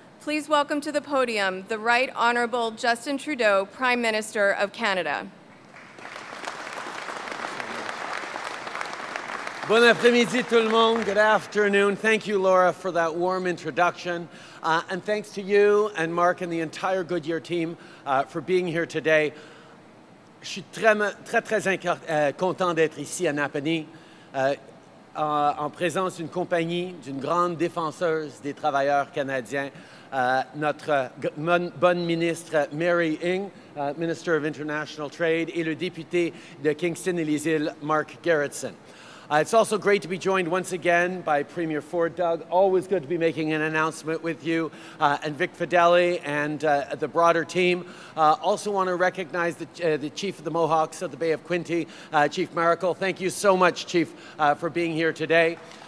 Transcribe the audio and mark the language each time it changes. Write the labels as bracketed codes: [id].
[en] Please welcome to the podium the Right Honourable Justin Trudeau, Prime Minister of Canada. [fr] Bon après-midi tout le monde, [en] good afternoon. Thank you, Laura, for that warm introduction. And thanks to you and Mark and the entire Goodyear team for being here today. [fr] Je suis très, très content d'être ici à Napanee, en présence d'une compagnie, d'une grande défenseuse des travailleurs canadiens, notre bonne ministre Mary Ng, [en] Minister of International Trade, [fr] et le député de Kingston et les îles, Mark Gerritsen. [en] It's also great to be joined once again by Premier Ford. Doug, always good to be making an announcement with you, and Vic Fedeli and the broader team. Also want to recognize the Chief of the Mohawks of the Bay of Quinte, Chief Maracle. Thank you so much, Chief, for being here today.